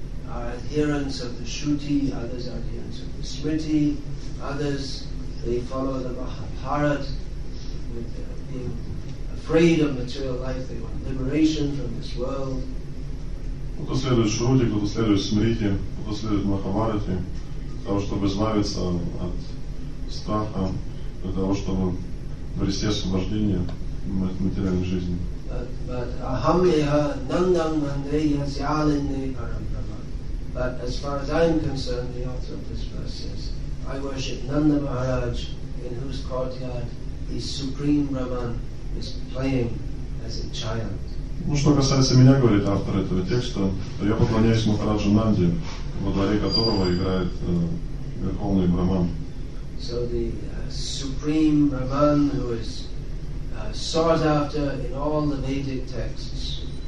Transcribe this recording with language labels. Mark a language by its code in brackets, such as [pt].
[en] Are adherents of the Shruti, others are adherents of the Smriti, others they follow the Mahabharat with being afraid of material life, they want liberation from this world. [ru] Кто следует Шрути, кто следует Смрити, кто следует Махабхарате, для того, чтобы избавиться от страха, для того, чтобы обрести освобождение от материальной жизни. But Ahamya Nandam Mandeya Syalinde Parampama. [en] But as far as I am concerned, the author of this verse says, I worship Nanda Maharaj, in whose courtyard the Supreme Brahman is playing as a child. [ru] Ну, что касается меня, говорит автор этого текста, то я поклоняюсь Махараджу Нанде, во дворе которого играет Верховный Брахман. [en] So the Supreme Brahman, who is sought after in all the Vedic texts.